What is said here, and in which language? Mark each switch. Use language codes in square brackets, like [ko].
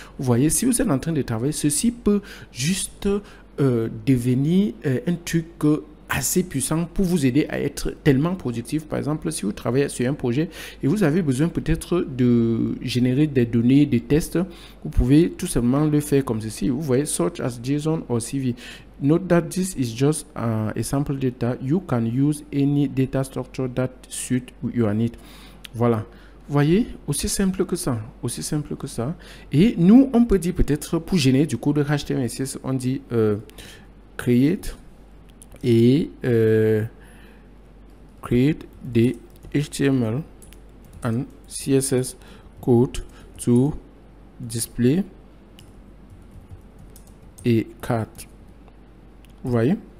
[fr] Vous voyez, si vous êtes en train de travailler, ceci peut juste devenir un truc assez puissant pour vous aider à être tellement productif. Par exemple, si vous travaillez sur un projet et vous avez besoin peut-être de générer des données, des tests, vous pouvez tout simplement le faire comme ceci. Vous voyez, [en] such as JSON or CV. Note that this is just a sample data. You can use any data structure that suit your need. [fr] Voilà. Vous voyez, aussi simple que ça. Aussi simple que ça. Et nous, on peut dire peut-être pour générer du code HTML6, on dit create. [en] Et create the HTML and CSS code to display a cat. [fr] Vous voyez?